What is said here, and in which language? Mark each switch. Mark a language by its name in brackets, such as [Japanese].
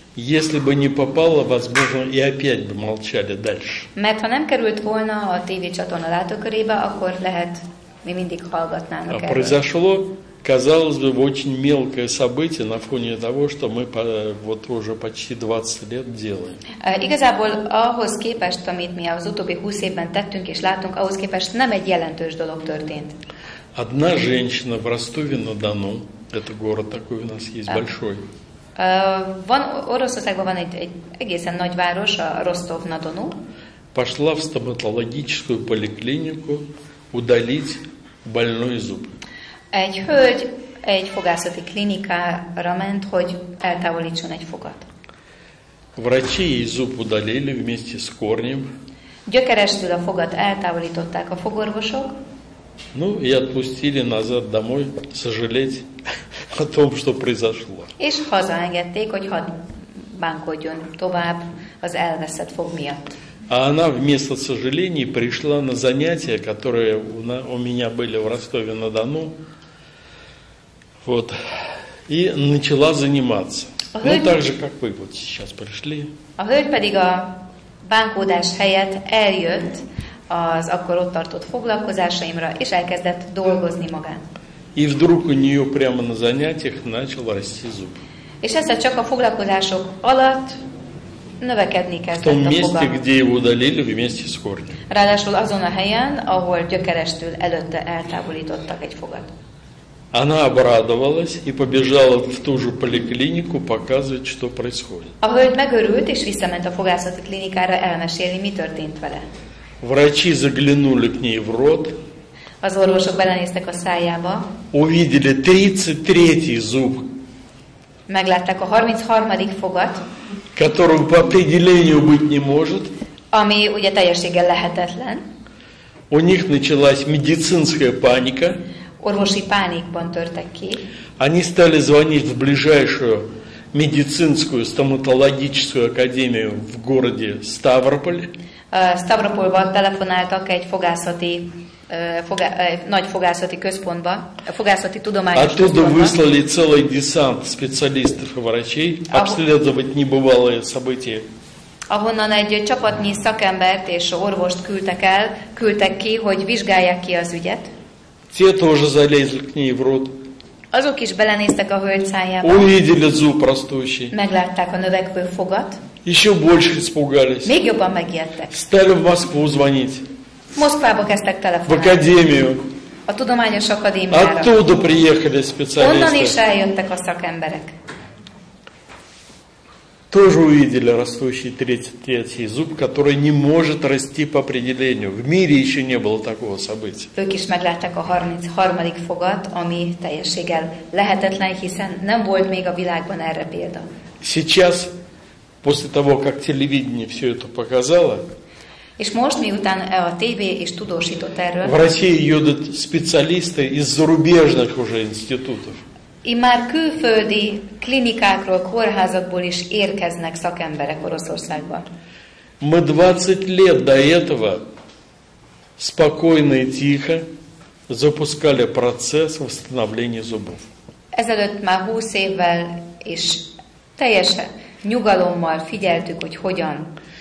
[Russian] Если бы не попало, возможно, и опять бы молчали дальше. [Hungarian] Mert ha nem került volna a tévé csatorna látókörébe, akkor lehet, mi mindig hallgatnának erről. [Russian] Произошло, казалось бы, очень мелкое событие на фоне того, что мы вот уже почти 20 лет делаем. [Hungarian] Igazából ahhoz képest, amit mi az utóbbi 20 évben tettünk és látunk, ahhoz képest nem egy jelentős dolog történt. [Russian] Одна женщина в Ростове-на-Дону, это город такой у нас есть большой. [Hungarian] Van Oroszországban van egy egészen nagy város, a Rostov-na-Donu. [Russian] Пошла в стоматологическую поликлинику удалить больной зуб. [Hungarian] Egy hölgy egy fogászati klinikára ment, hogy eltávolítson egy fogat. [Russian] Врачи ей зуб удалили вместе с корнем. [Hungarian] Gyökerestül a fogat eltávolították a fogorvosok. [Russian] Ну и отпустили назад домой сожалеть о том, что произошло. [Hungarian] És hazaengedték, hogy hadd bánkodjon tovább az elveszett fog miatt. [Russian] А она вместо сожалений пришла на занятия, которые у меня были в Ростове-на-Дону. Вот. И начала заниматься. Ну, так же, как вы вот сейчас пришли. [Hungarian] A hölgy pedig a bánkódás helyett eljött az akkor ott tartott foglalkozásaimra, és elkezdett dolgozni magán. [Russian] И вдруг у нее прямо на занятиях начал расти зуб. [Hungarian] És ezzel csak a foglalkozások alatt növekedni kezdett a foga. [Russian] В том месте, где его удалили вместе с корнем. [Hungarian] Ráadásul azon a helyen, ahol gyökerestől előtte eltávolítottak egy fogat. [Russian] Она обрадовалась и побежала в ту же поликлинику показывать, что происходит. [Hungarian] A hölgy megörült és visszament a fogászati klinikára elmesélni, mi történt vele. [Russian] Врачи заглянули к ней в рот. [Hungarian] Az orvosok belenéztek a szájába. [Russian] Увидели 33-й зуб. [Hungarian] Meglátták a 33-dik fogat. [Russian] Которого по определению быть не может. [Hungarian] Ami ugye teljességgel lehetetlen. [Russian] У них началась медицинская паника. [Hungarian] Orvosi pánikban törtek ki. [Russian] Они стали звонить в ближайшую медицинскую стоматологическую академию в городе Ставрополь. [Hungarian] Ставрополь-ban telefonáltak egy fogászati nagy fogászati központba, fogászati tudományos központba. [Russian] Оттуда выслали целый десант специалистов и врачей обследовать небывалые события. [Hungarian] Ahonnan egy csapatnyi szakembert és orvost küldtek ki, hogy vizsgálják ki az ügyet. [Russian] Те тоже залезли к ней в рот. [Hungarian] Azok is belenéztek a hölgy szájába. [Russian] Увидели зуб растущий. [Hungarian] Meglátták a növekvő fogat. [Russian] Еще больше испугались. [Hungarian] Még jobban megijedtek. [Russian] Стали в Москву звонить. [Hungarian] Москвába кезтек телефонать. [Russian] В академию. [Hungarian] A tudományos akadémiára. [Russian] Оттуда приехали специалисты. [Hungarian] Onnan is eljöttek a szakemberek. [Russian] Тоже увидели растущий 33-й зуб, который не может расти по определению. В мире еще не было такого события. [Hungarian] Ők is meglátták a 33-dik fogat, ami teljességgel lehetetlen, hiszen nem volt még a világban erre példa. [Russian] Сейчас, после того, как телевидение все это показало, [Hungarian] és most, miután a TV is tudósított erről, [Russian] в России едут специалисты из зарубежных уже институтов. [Hungarian] И már külföldi klinikákról, kórházakból is érkeznek szakemberek Oroszországba. [Russian] Мы 20 лет до этого спокойно и тихо запускали процесс восстановления зубов. [Hungarian] Ezelőtt már 20 évvel és teljesen nyugalommal figyeltük, hogy hogyan